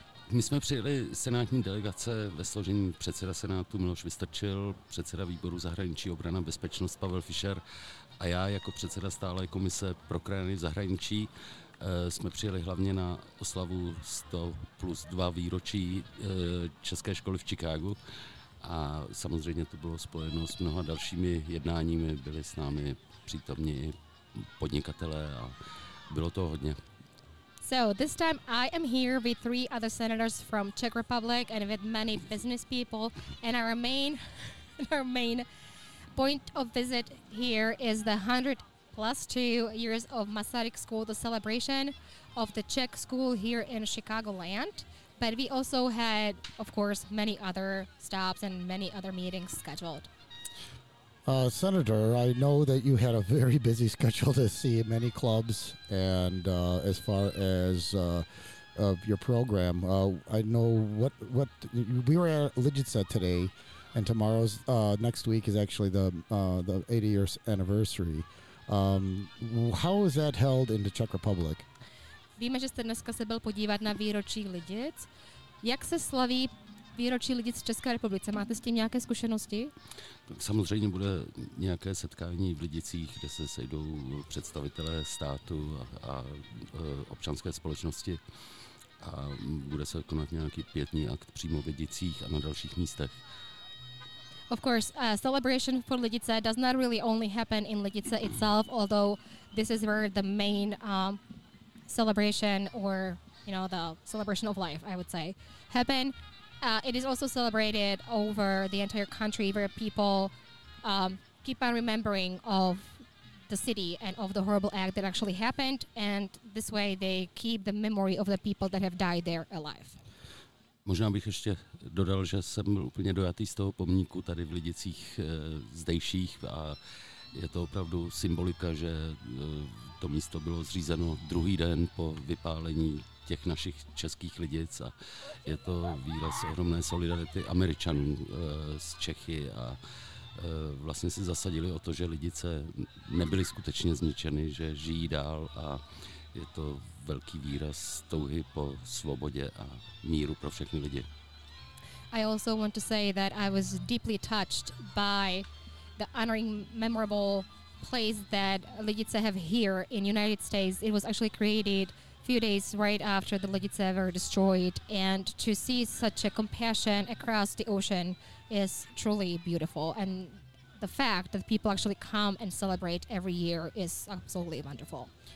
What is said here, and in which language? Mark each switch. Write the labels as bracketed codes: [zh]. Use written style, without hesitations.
[cs] My jsme přijeli senátní delegace ve složení předseda senátu Miloš Vystrčil, předseda výboru zahraničí obrana bezpečnost Pavel Fischer a já jako předseda stálé komise pro krajiny v zahraničí jsme přijeli hlavně na oslavu 100+2 výročí České školy v Chicagu. A samozřejmě to bylo spojeno s mnoha dalšími jednáními. Byli s námi přítomní podnikatelé a bylo to hodně. [en] So this time I am here with three other senators from Czech Republic and with many business people. And our main point of visit here is the 100+2 years of Masaryk School, the celebration of the Czech school here in Chicagoland. But we also had, of course, many other stops and many other meetings scheduled. Senator, I know that you had a very busy schedule to see many clubs and as far as of your program. I know what we were at Lidice today. And tomorrow's next week is actually the 80-year anniversary. How is that held in the Czech Republic? [cs] Víme, že jste dneska se byl podívat na výročí Lidic. Jak se slaví výročí Lidic v České republice? Máte s tím nějaké zkušenosti? Tak samozřejmě bude nějaké setkání v Lidicích, kde se sejdou představitelé státu a občanské společnosti. A bude se konat nějaký pětní akt přímo v Lidicích a na dalších místech. [en] Of course, celebration for Lidice does not really only happen in Lidice itself, although this is where the main celebration or, you know, the celebration of life, I would say, happen. It is also celebrated over the entire country where people keep on remembering of the city and of the horrible act that actually happened, and this way they keep the memory of the people that have died there alive. [cs] Možná bych ještě dodal, že jsem byl úplně dojatý z toho pomníku tady v Lidicích zdejších a je to opravdu symbolika, že to místo bylo zřízeno druhý den po vypálení těch našich českých lidic a je to výraz ohromné solidarity Američanů z Čechy a vlastně se zasadili o to, že Lidice nebyly skutečně zničeny, že žijí dál a je to velký výraz touhy po svobodě a míru pro všechny lidi. [en] I also want to say that I was deeply touched by the honoring memorable place that Lidice have here in United States. It was actually created few days right after the Lidice were destroyed, and to see such a compassion across the ocean is truly beautiful, and the fact that people actually come and celebrate every year is absolutely wonderful.